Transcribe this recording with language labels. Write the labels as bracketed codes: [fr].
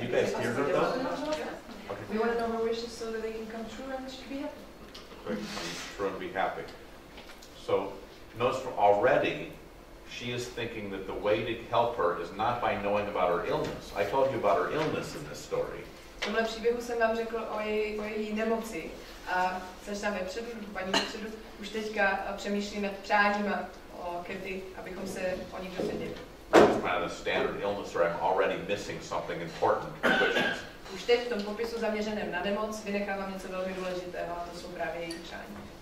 [en] you guys hear her though? Okay. We want to know her wishes so that they can come true and she can be happy. True and be happy. So notice already she is thinking that the way to help her is not by knowing about her illness. I told you about her illness in this story. [cs] V tomhle příběhu jsem vám řekl o její nemoci a začínáme paní vepředu, už teďka přemýšlím nad přáním o Kathy, abychom se o ní dozvěděli. [en] It's kind of the standard illness where I'm already missing something important. [cs] Už teď v tom popisu zaměřeném na nemoc vynechávám něco velmi důležitého, a to jsou právě její přání.